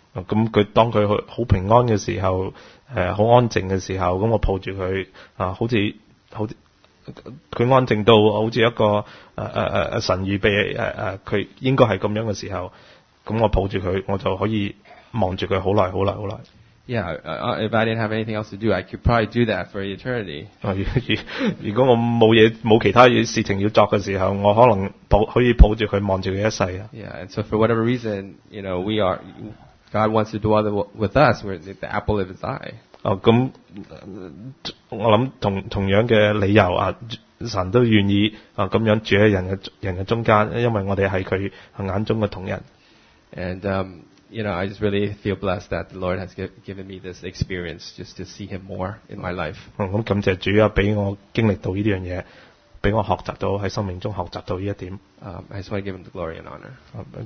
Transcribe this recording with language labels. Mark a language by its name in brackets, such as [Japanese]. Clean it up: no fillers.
[Cantonese] 咁佢當佢好平安嘅時候，好安靜嘅時候，咁我抱住佢好似。佢安靜到好似一個神預備佢應該係咁樣嘅時候，咁我抱住佢，我就可以望住佢好耐好耐好耐。 [English] Yeah, if I didn't have anything else to do, I could probably do that for eternity. [Cantonese] 如果我冇其他事情要做嘅時候，我可能可以抱住佢望住佢一世。 [English] Yeah, and so for whatever reason, you know, we are God wants to dwell with us. We're the apple of His eye. [Cantonese] 咁我諗同樣嘅理由神都願意咁樣住喺人嘅中間，因為我哋係佢眼中嘅同人。 [English] And, you know, I just really feel blessed that the Lord has given me this experience just to see Him more in my life. [Cantonese] 咁感謝主啊，俾我經歷到呢樣嘢，俾我學習到喺生命中學習到呢一點。 [English] I just want to give Him the glory and honor.